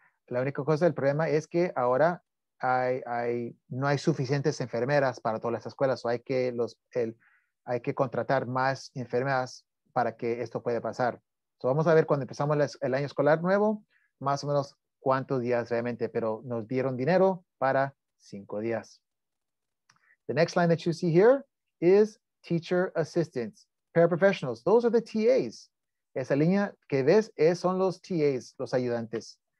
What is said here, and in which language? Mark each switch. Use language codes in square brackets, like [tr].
[es] La única cosa del problema es que ahora hay no hay suficientes enfermeras para todas las escuelas, o hay que contratar más enfermeras para que esto pueda pasar. So vamos a ver cuando empezamos el año escolar nuevo, más o menos cuántos días realmente, pero nos dieron dinero para 5 días. [en] The next line that you see here is teacher assistants, paraprofessionals. Those are the TAs. [es] Esa línea que ves son los TAs, los ayudantes.